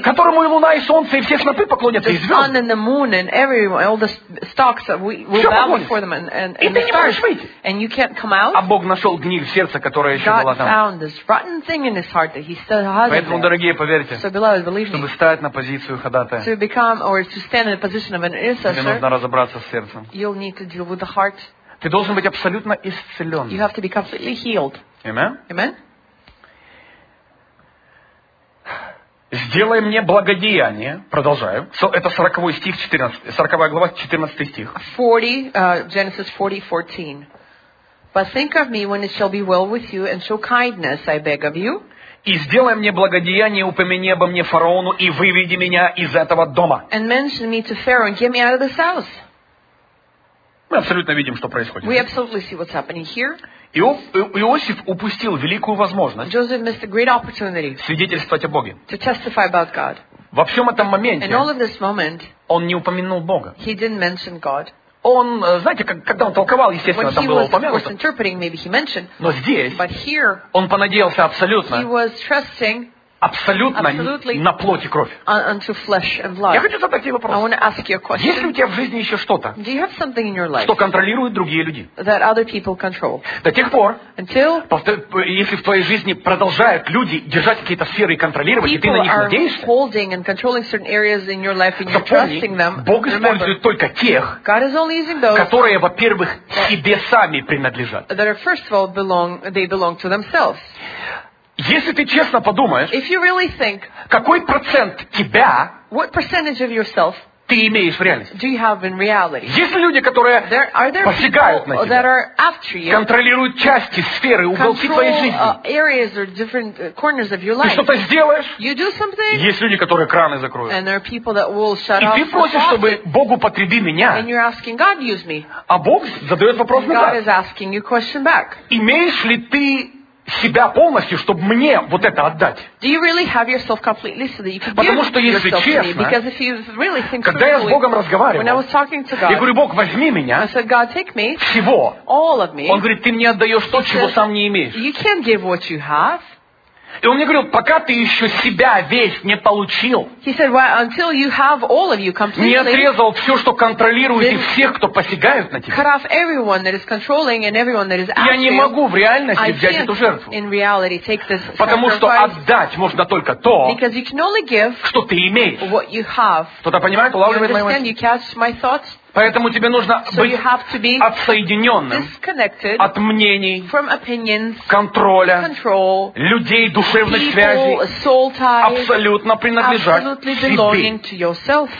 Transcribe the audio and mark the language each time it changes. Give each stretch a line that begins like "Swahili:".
Russian: Которому и луна, и солнце, и все снопы поклонятся,
English: the sun and the moon and everyone, all the stalks that we will bow before them.
Russian: And ты не можешь выйти.
English: And you can't come out.
Russian: А Бог нашел гниль в сердце, которое еще
English: God
Russian: была там.
English: God found this rotten thing in his heart that he still has.
Russian: Поэтому,
English: there.
Russian: Дорогие, поверьте.
English: So, beloved, believe
Russian: чтобы
English: me.
Russian: Стать на позицию ходатая.
English: To become or to stand in position of an intercessor, you'll need to deal with the heart.
Russian: Ты должен быть абсолютно исцелен.
English: You have to be completely healed. Amen. Amen.
Russian: Сделай мне благодеяние. Продолжаю. So, это 40 стих, 14, 40 глава, 14 стих.
English: 40, Genesis 40, 14. But think of me when it shall be well with you, and show kindness, I beg of you.
Russian: И сделай мне благодеяние, упомяни обо мне фараону и выведи меня из этого дома.
English: And mention me to Pharaoh and get me out of this house.
Russian: Мы абсолютно видим, что происходит.
English: We absolutely see what's happening here.
Russian: Иосиф упустил великую возможность.
English: Joseph missed a great opportunity.
Russian: Свидетельствовать о Боге.
English: To testify about God.
Russian: Во всем этом моменте.
English: In all of this moment.
Russian: Он не упомянул Бога.
English: He didn't mention God.
Russian: Он, знаете, когда он толковал, естественно,
English: when
Russian: там было упомянуто.
English: Was interpreting, maybe he mentioned,
Russian: но здесь
English: here,
Russian: он понадеялся абсолютно,
English: he was trusting,
Russian: абсолютно на плоть и кровь.
English: Unto flesh and blood.
Russian: Я хочу задать тебе вопрос.
English: I want to ask you a question.
Russian: Есть ли у тебя в жизни еще что-то,
English: do you have something in your life,
Russian: что контролируют другие люди?
English: That other people control.
Russian: До тех пор,
English: until,
Russian: если в твоей жизни продолжают люди держать какие-то сферы и контролировать, и ты на них надеешься,
English: holding and controlling certain areas in your life and you're trusting them,
Russian: Бог использует
English: remember,
Russian: только тех,
English: God is only using those,
Russian: которые, во-первых, себе сами принадлежат.
English: That are, first of all, they belong to themselves.
Russian: Если ты честно подумаешь,
English: really think,
Russian: какой процент тебя
English: what percentage of yourself
Russian: ты имеешь в реальности?
English: Do you have in reality?
Russian: Есть ли люди, которые посягают на тебя,
English: you,
Russian: контролируют части, сферы, уголки твоей жизни?
English: Areas or different corners of your life.
Russian: Ты что-то сделаешь?
English: You do something,
Russian: есть люди, которые краны закроют.
English: And there are people that will shut
Russian: и ты просишь, чтобы Богу потреби меня.
English: And you're asking God, use me.
Russian: А Бог задает вопрос назад.
English: God is asking you question back.
Russian: Имеешь ли ты себя полностью, чтобы мне вот это отдать.
English: Do you really have yourself completely so that you could give
Russian: потому что, если честно,
English: really
Russian: когда я с Богом разговаривал,
English: God,
Russian: я говорю, Бог, возьми меня,
English: said, God, take me,
Russian: всего.
English: All of me.
Russian: Он говорит, ты мне отдаешь то, чего сам не имеешь.
English: You can't give what you have.
Russian: И он мне говорил, пока ты еще себя весь не получил,
English: he said, well, until you have all of you completely,
Russian: не отрезал все, что контролирует и всех, кто посягает на тебя,
English: cut off everyone that is controlling and everyone that is
Russian: after, я не могу в реальности
English: I
Russian: взять эту жертву.
English: In reality take this sacrifice,
Russian: потому что отдать можно только то,
English: because you can only give
Russian: что ты имеешь.
English: What you have.
Russian: Кто-то понимает, улавливает мои мысли?
English: You catch my thoughts?
Russian: Поэтому тебе нужно быть отсоединенным от мнений, контроля, людей, душевной связи, абсолютно принадлежать себе.